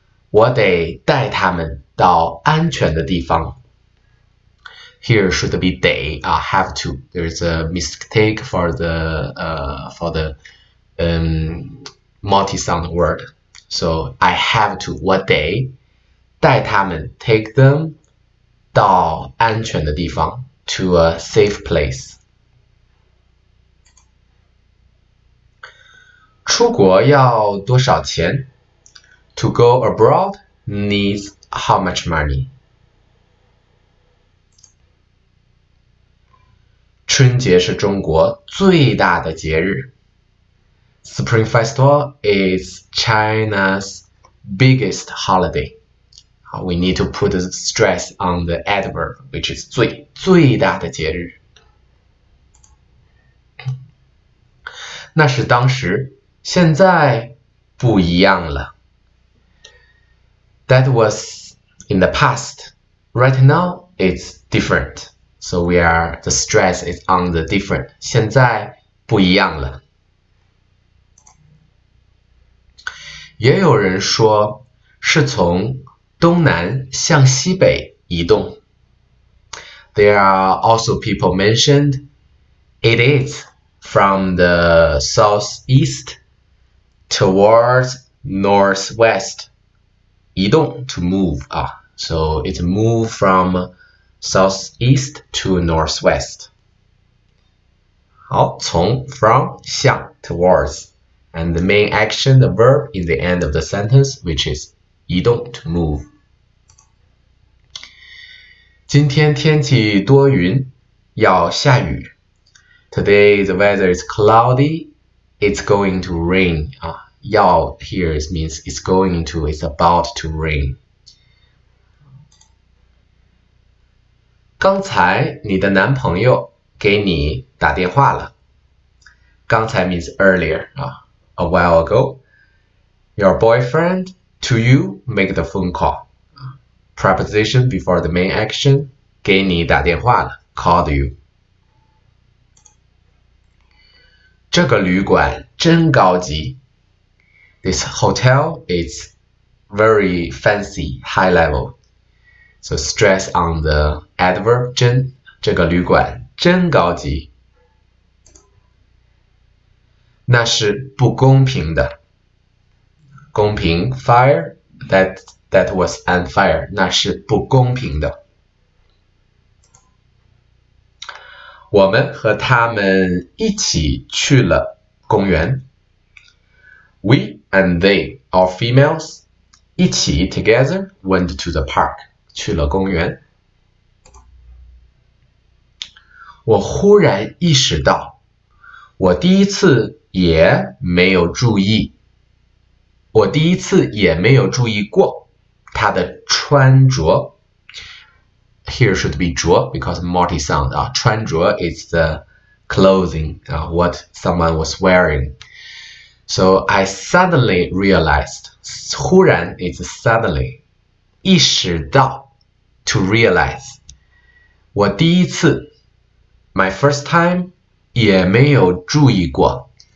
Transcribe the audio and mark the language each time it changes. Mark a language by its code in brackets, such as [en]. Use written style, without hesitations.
[zh] 我得带他们到安全的地方. [en] Here should be de, have to. There is a mistake for the multi-sound word. So I have to. [zh] 我得, 带他们, [en] take them. [zh] 到安全的地方, [en] to a safe place. [zh] 出国要多少钱? [en] To go abroad needs how much money? [zh] 春节是中国最大的节日。 [en] Spring Festival is China's biggest holiday. We need to put a stress on the adverb, which is [zh] 最大的节日。那是当时，现在不一样了。 [en] That was in the past. Right now, it's different. So we are, the stress is on the different. [zh] 现在不一样了。也有人说是从东南向西北移动。 [en] There are also people mentioned it is from the southeast towards northwest. 移动 to move 啊，so it move from southeast to northwest. [zh] 好，从 from 向 towards。 [en] And the main action, the verb in the end of the sentence, which is 移动 to move. [zh] 今天天气多云，要下雨。 [en] Today the weather is cloudy, it's going to rain. 啊，要 here means it's going to, it's about to rain. [zh] 刚才你的男朋友给你打电话了。 [en] 刚才 means earlier 啊。 A while ago, your boyfriend to you make the phone call. Preposition before the main action, [zh] 给你打电话了， [en] called you. [zh] 这个旅馆真高级。 [en] This hotel is very fancy, high level. So stress on the adverb 真， [zh] 这个旅馆真高级。那是不公平的。公平 fair, [en] that was unfair. [zh] 那是不公平的。我们和他们一起去了公园。 [en] We and they, all females, 一起 together went to the park, [zh] 去了公园。我忽然意识到，我第一次。也没有注意，我第一次也没有注意过他的穿着。 [en] Here should be 着 because multi sound 啊，穿着 is the clothing 啊，what someone was wearing. So I suddenly realized，忽然 is suddenly，意识到 to realize， [zh] 我第一次， [en] my first time [zh] 也没有注意过。